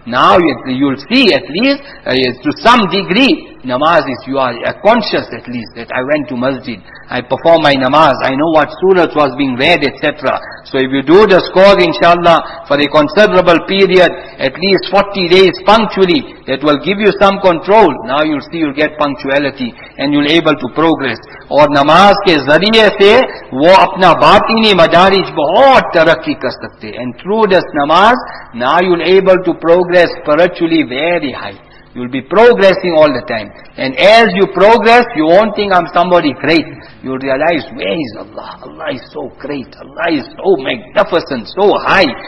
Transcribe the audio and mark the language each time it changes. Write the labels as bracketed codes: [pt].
[en] Now you'll see at least, to some degree, namaz is, you are conscious at least that I went to masjid, I performed my namaz, I know what surah was being read, etc. So if you do the score, inshallah, for a considerable period, at least 40 days punctually, that will give you some control. Now you'll see you'll get punctuality and you'll able to progress. [ur] اور نماز کے ذریعے سے وہ اپنا باطنی مدارج بہت ترقی کر سکتے. [en] And through this نماز now you'll able to progress spiritually very high. You'll be progressing all the time. And as you progress, you won't think I'm somebody great. You'll realize, where is Allah? Allah is so great. Allah is so magnificent, so high.